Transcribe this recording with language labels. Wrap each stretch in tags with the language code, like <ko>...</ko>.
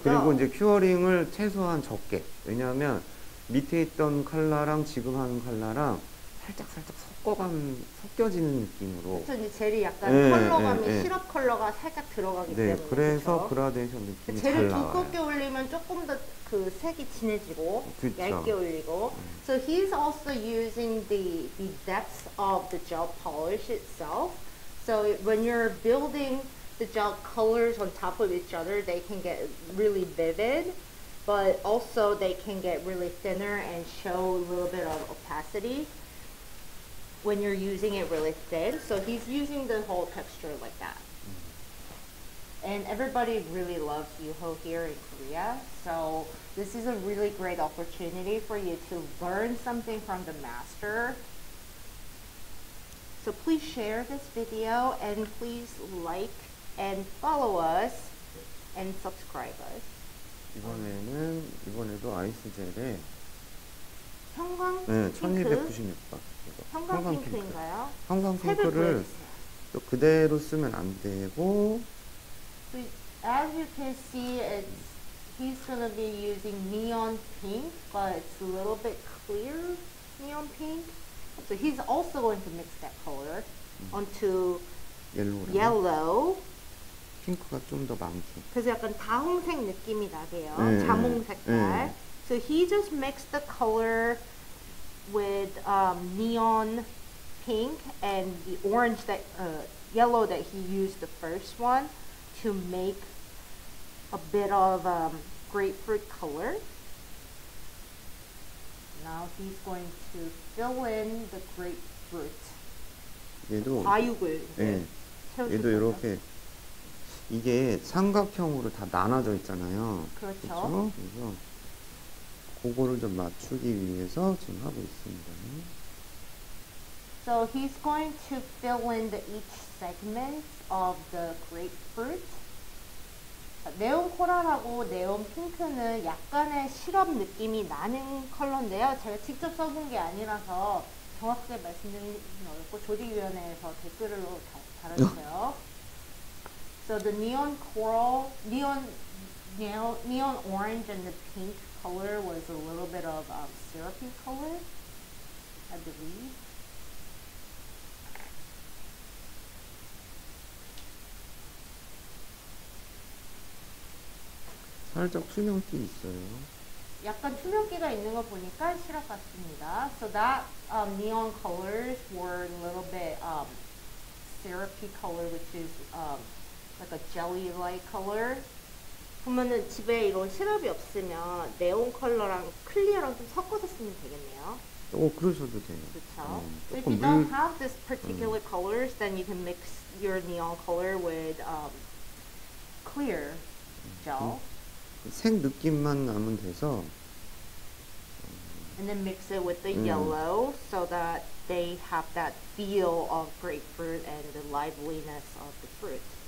<ko>그리고 이제 큐어링을 최소한 적게 왜냐하면 밑에 있던 컬러랑 지금 하는 컬러랑 살짝 살짝 섞어감 섞여지는 느낌으로. 그렇죠. 이제 젤이 약간 네, 컬러감이 네, 네. 시럽 컬러가 살짝 들어가기 네, 때문에. 네. 그래서 그렇죠? 그라데이션 느낌이 잘 나와요. 젤을 두껍게 올리면 조금 더 그 색이 진해지고 그렇죠. 얇게 올리고.</ko> <en>So he's also using the depth of the gel polish itself. So when you're building the gel colors on top of each other, they can get really vivid, but also they can get really thinner and show a little bit of opacity. When you're using it really thin, so he's using the whole texture like that. And everybody really loves Yuho here in Korea, so this is a really great opportunity for you to learn something from the master. So please share this video and please like and follow us and subscribe us.</en> <ko>이번에는 이번에도 아이스 젤에 형광 네, 1296번 형광 핑크인가요? 형광 핑크를 또 그대로 쓰면 안 되고.</ko> <en>So as you can see, it's he's gonna be using neon pink, but it's a little bit clear neon pink. So he's also going to mix that color onto yellow.</en> <ko>핑크가 좀 더 많게. 그래서 약간 다홍색 느낌이 나세요. 자몽 색깔. 네.</ko> <en>So he just mixed the color. With neon pink and the orange that yellow that he used the first one to make a bit of grapefruit color. Now he's going to fill in the grapefruit.</en> <ko>얘도 과육을 네. 얘도 이렇게 이게 삼각형으로 다 나눠져 있잖아요. 그렇죠. 그렇죠? 그거를 좀 맞추기 위해서 지금 하고 있습니다.</ko> <en>So he's going to fill in the each segment of the grapefruit.</en> <ko>네온 코랄하고 네온 핑크는 약간의 시럽 느낌이 나는 컬러인데요. 제가 직접 써본 게 아니라서 정확하게 말씀드리긴 어렵고 조직위원회에서 댓글을 달았어요.</ko> <en>So the neon coral, neon neon orange and the pink color was a little bit of syrupy color, I believe. So that neon colors were a little bit syrupy color, which is like a jelly-like color.</en> <ko>그러면은 집에 이런 시럽이 없으면 네온 컬러랑 클리어랑 좀 섞어서 쓰면 되겠네요. 그러셔도 돼요. 그렇죠.</ko> <en>So if you don't have this particular colors, then you can mix your neon color with clear gel.</en> <ko>색 느낌만 나면 돼서.</ko> <en>And then mix it with the yellow so that they have that feel of grapefruit and the liveliness of the fruit.</en>